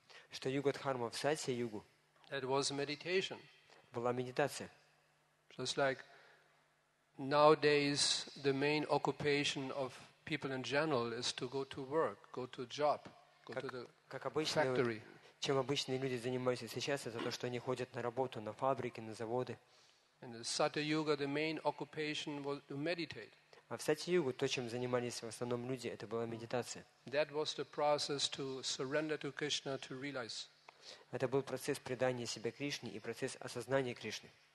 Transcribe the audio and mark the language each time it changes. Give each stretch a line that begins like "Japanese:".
Russian: Что Юга Дхарма в Сатте Югу.
English: It was meditation.
Russian: Была медитация.
English: Just like nowadays the main occupation of people in general is to go to work, go to job, go to the factory.
Russian: Чем обычные люди занимаются сейчас, это то, что они ходят на работу, на фабрики, на заводы. А в Сатья-югу то, чем занимались в основном люди, это была медитация. Это был процесс предания себя Кришне и процесс осознания Кришны.